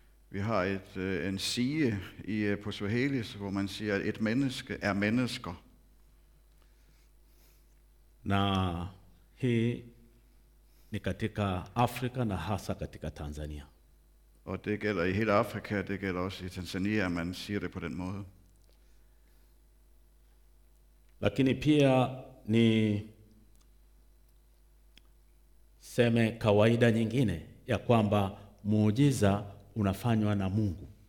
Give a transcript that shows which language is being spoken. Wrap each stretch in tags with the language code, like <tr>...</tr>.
<da>Vi har en sige i på Swahili, hvor man siger, at et menneske er mennesker.</da> <sw>Na hii ni katika Afrika na hasa katika Tanzania.</sw> <da>Og det gælder i hele Afrika, det gælder også i Tanzania, at man siger det på den måde.</da> <sw>Lakini pia ni seme kawaida nyingine ya kwamba muujiza unafanywa na Mungu.</sw>